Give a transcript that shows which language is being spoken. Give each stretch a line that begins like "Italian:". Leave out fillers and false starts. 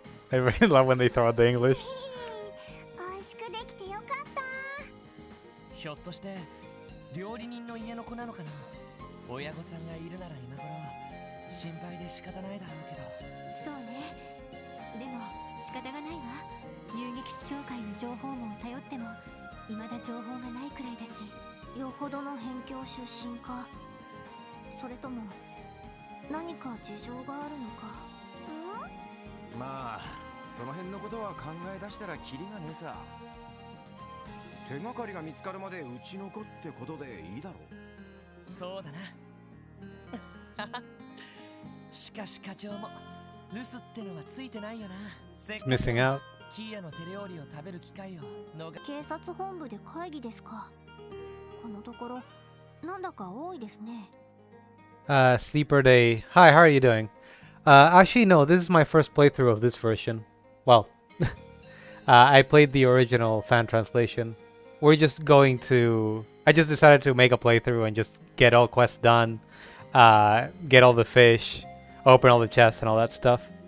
English: I really love when they throw out the English.
Japanese: 美味しくできてよかった。ひょっとして料理人の家の子なのかな。親御さんがいるなら今頃は心配で仕方ないだろうけど。そうね。でも仕方ないよ。方がないわ。遊撃士協会の情報網を頼っても未だ情報がないくらいだし。よほどの辺境出身か、それとも何か事情があるのか。まあその辺のことは考え出したらキリがねえさ。手がかりが見つかるまでうちの子ってことでいいだろう。そうだな。しかし課長も留守ってのはついてないよな。
English: Missing out。
Japanese: キーヤの手料理を食べる機会を逃。警察本部で会議ですか。このところなんだか多いですね。
English: Sleeper Day. Hi, how are you doing? Actually, no, this is my first playthrough of this version. Well, I played the original fan translation. We're just going to... I just decided to make a playthrough and just get all quests done, get all the fish, open all the chests and all that stuff.